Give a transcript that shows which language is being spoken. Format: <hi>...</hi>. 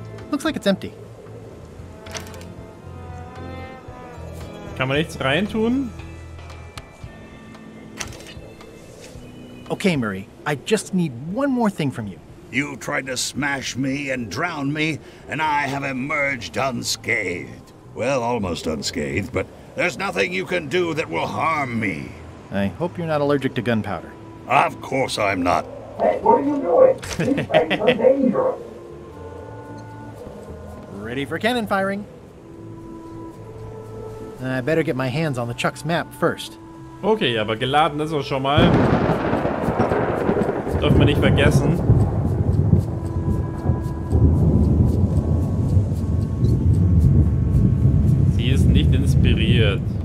<en>Looks like it's empty.</en> <de>Kann man nichts reintun?</de> <en>Okay, Murray, I just need one more thing from you. You tried to smash me and drown me, and I have emerged unscathed. Well, almost unscathed, but there's nothing you can do that will harm me. I hope you're not allergic to gunpowder. Of course I'm not. Hey, what are you doing? These things are dangerous. Ready for cannon firing. I better get my hands on the Chuck's map first.</en> <de>Okay, aber geladen ist er schon mal. Dürfen wir nicht vergessen. Sie ist nicht inspiriert.</de>